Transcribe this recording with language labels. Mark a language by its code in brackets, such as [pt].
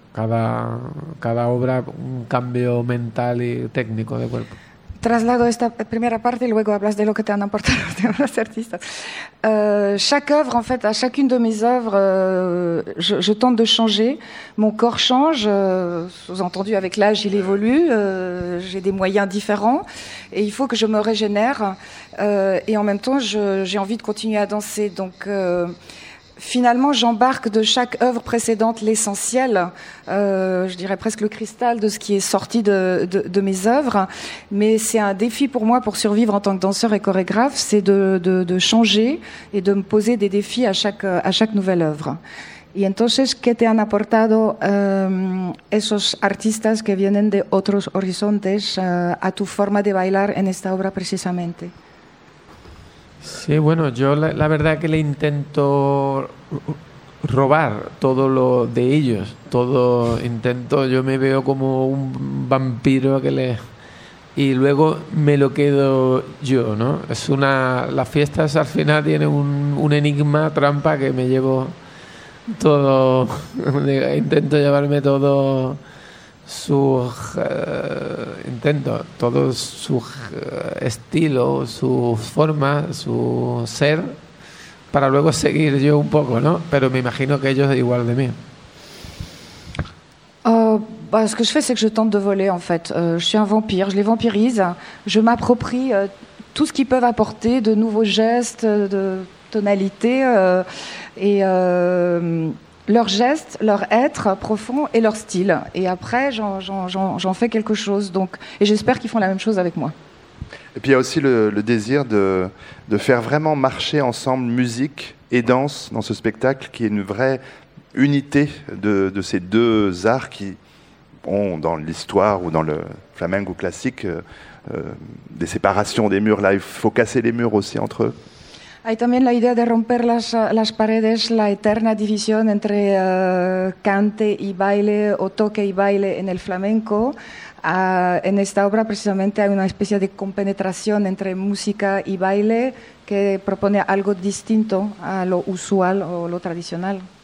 [es] Cada obra, un cambio mental y técnico de cuerpo. Traslado esta primera parte y luego hablas de lo que te han aportado los artistas. [fr] Chaque œuvre, en fait, à chacune de mes œuvres, je tente de changer. Mon corps change, sous-entendu avec l'âge, il évolue. J'ai des moyens différents et il faut que je me régénère. Et en même temps, j'ai envie de continuer à danser. Donc, finalement, j'embarque de chaque œuvre précédente l'essentiel, je dirais presque le cristal de ce qui est sorti de mes œuvres. Mais c'est un défi pour moi pour survivre en tant que danseur et chorégraphe, c'est de changer et de me poser des défis à chaque nouvelle œuvre. [es] Y entonces, ¿qué te han aportado esos artistas que vienen de otros horizontes a tu forma de bailar en esta obra precisamente? Sí, bueno, yo la verdad que le intento robar todo lo de ellos, todo intento, yo me veo como un vampiro que le y luego me lo quedo yo, ¿no? Es una la fiesta es, al final tiene un enigma, trampa que me llevo todo, intento llevarme todo su intento, todo su estilo, su forma, su ser, para luego seguir yo un poco, ¿no? Pero me imagino que ellos igual de mí. [fr] Bah, ce que je fais, c'est que je tente de voler, en fait. Je suis un vampire, je les vampirise, je m'approprie tout ce qu'ils peuvent apporter, de nouveaux gestes, de tonalités, leurs gestes, leur être profond et leur style. Et après, j'en fais quelque chose. Donc, et j'espère qu'ils font la même chose avec moi. Et puis, il y a aussi le désir de faire vraiment marcher ensemble musique et danse dans ce spectacle, qui est une vraie unité de ces deux arts qui ont, dans l'histoire ou dans le flamenco classique, des séparations des murs. Là, il faut casser les murs aussi entre eux. [es] Hay también la idea de romper las paredes, la eterna división entre cante y baile o toque y baile en el flamenco. En esta obra precisamente hay una especie de compenetración entre música y baile que propone algo distinto a lo usual o lo tradicional.